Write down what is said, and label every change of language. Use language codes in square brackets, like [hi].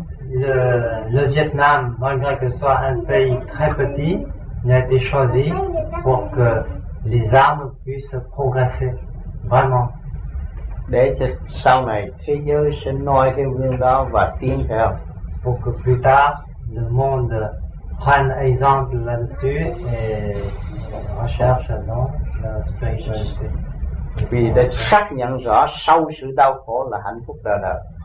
[fr] Le Vietnam, malgré que ce soit un pays très petit, il a été choisi pour que les âmes puissent progresser vraiment. [vi] Để cho sau này thế giới sẽ noi theo gương đó và tiến theo. [fr] Pour que plus tard le monde prenne exemple là-dessus et recherche donc la spiritualité. [vi] Vì đã xác nhận rõ sau sự đau khổ là hạnh phúc đời đời.